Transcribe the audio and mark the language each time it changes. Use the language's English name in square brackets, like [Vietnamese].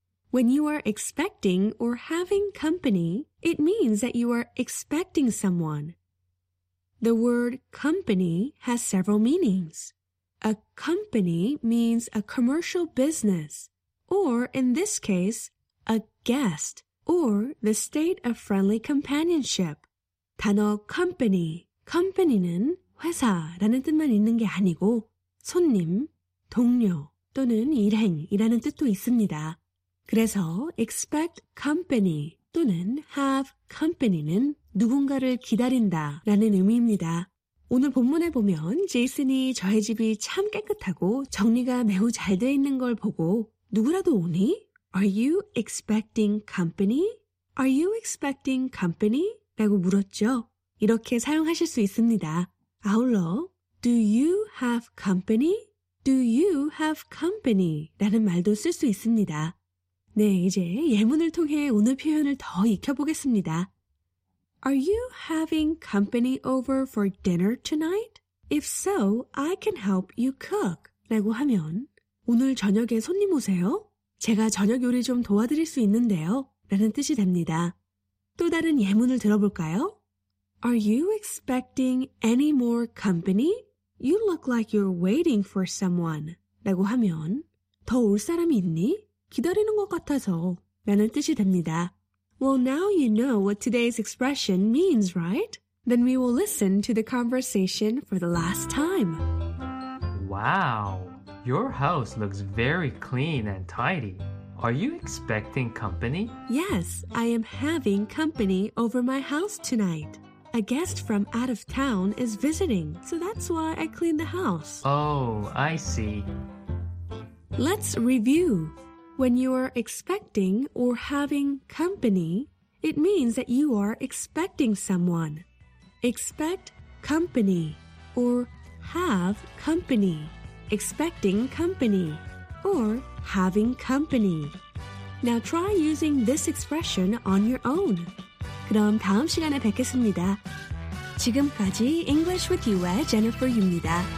[English] When you are expecting or having company, it means that you are expecting someone. The word company has several meanings. A company means a commercial business, or in this case, a guest, or the state of friendly companionship. [Korean] 단어 company, company는 회사라는 뜻만 있는 게 아니고 손님, 동료 또는 일행이라는 뜻도 있습니다. 그래서 expect company 또는 have company는 누군가를 기다린다라는 의미입니다. 오늘 본문에 보면 제이슨이 저의 집이 참 깨끗하고 정리가 매우 잘 돼 있는 걸 보고 누구라도 오니? [English] Are you expecting company? Are you expecting company? [Korean] 라고 물었죠. 이렇게 사용하실 수 있습니다. 아울러 [English] Do you have company? Do you have company? [Korean] 라는 말도 쓸 수 있습니다. 네, 이제 예문을 통해 오늘 표현을 더 익혀보겠습니다. [English] Are you having company over for dinner tonight? If so, I can help you cook. [Korean] 라고 하면 오늘 저녁에 손님 오세요? 제가 저녁 요리 좀 도와드릴 수 있는데요. 라는 뜻이 됩니다. 또 다른 예문을 들어볼까요? [English] Are you expecting any more company? You look like you're waiting for someone. [Korean] 라고 하면 더 올 사람이 있니? 기다리는 것 같아서 라는 뜻이 됩니다. [English] Well, now you know what today's expression means, right? Then we will listen to the conversation for the last time. Wow, your house looks very clean and tidy. Are you expecting company? Yes, I am having company over my house tonight. A guest from out of town is visiting, so that's why I cleaned the house. Oh, I see. Let's review. When you are expecting or having company, it means that you are expecting someone. Expect company or have company. Expecting company or having company. Now try using this expression on your own. [Korean] 그럼 다음 시간에 뵙겠습니다. 지금까지 English with you의 Jennifer입니다.